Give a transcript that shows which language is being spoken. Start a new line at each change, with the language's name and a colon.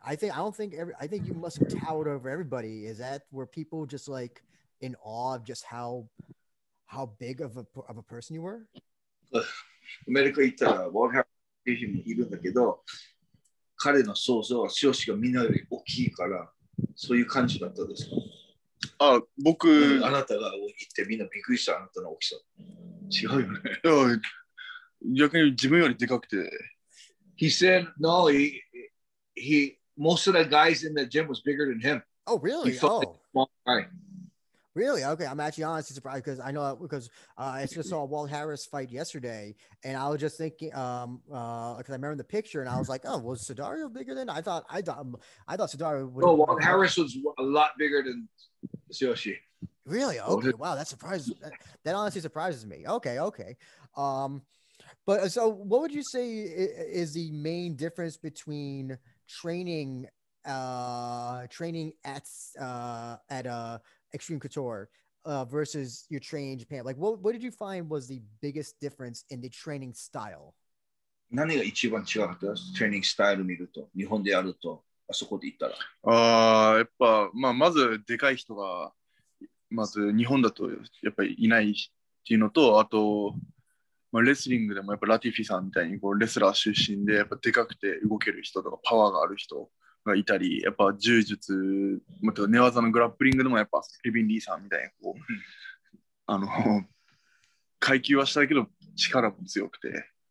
English: I think you must have towered over everybody. Is that where people just like in awe of just how big of a person you were? Medically, Walt Harris is big, but his expectation is that Tsuyoshi is bigger than everyone else.
Japanese: そういう感じだったですか。あ、僕、うん、あなたが言ってみんなびっくりしたあなたの大きさ。違うよね。いや、逆に自分よりでかくて。
English: He said no. He most of the guys in the gym was bigger than him. Oh really? He felt small guy. Really? Okay, I'm actually honestly surprised because I know because I just saw Walt Harris fight yesterday, and I was just thinking because I remember the picture, and I was like, oh, was Sudario bigger than I thought Sudario would. No, Walt Harris was a lot bigger than Tsuyoshi. Really? Okay. Wow, that surprises. That honestly surprises me. Okay. But so, what would you say is the main difference between training at a Extreme Couture versus your training in Japan? Like, what did you find was the biggest difference in the training style?
Japanese: 何が一番違かった？トレーニングスタイル見ると、日本でやると、あそこで言ったら。ああ、やっぱ、まあ、まずでかい人が、まず日本だとやっぱりいないっていうのと、あと、まあ、レスリングでもやっぱラティフィさんみたいにこうレスラー出身で、やっぱでかくて動ける人とか、パワーがある人がいたり、やっぱ柔術、また寝技のグラップリングでもやっぱ、リビン・リーさんみたいにこう、あの、階級は下だけど、力も強くて。